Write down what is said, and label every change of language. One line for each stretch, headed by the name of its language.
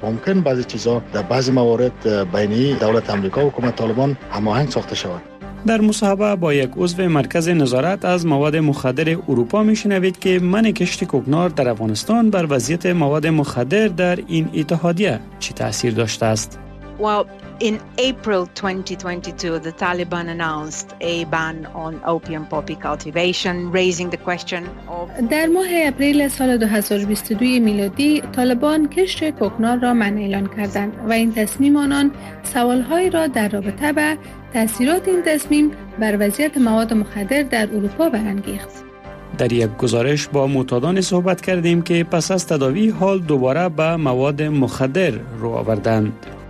Persian: ممکن بعضی چیزا در بعضی موارد بین دولت آمریکا و حکومت طالبان هماهنگ ساخته شود. در مصاحبه با یک عضو مرکز نظارت از مواد مخدر اروپا میشنوید که من کشت کوکنار در افغانستان بر وضعیت مواد مخدر در این اتحادیه چی تاثیر داشته است؟
English: In April 2022, the Taliban announced a ban on opium poppy cultivation, raising the question of.
Persian: در ماه اپریل سال 2022 میلادی، طالبان کشت کوکنار را منع اعلان کردند و این تصمیم آنان سوالهای را در رابطه با تأثیرات این تصمیم بر وضعیت مواد مخدر در اروپا برانگیخت. در یک گزارش با معتادان صحبت کردیم که پس از تداوی حال دوباره به مواد مخدر رو آوردند.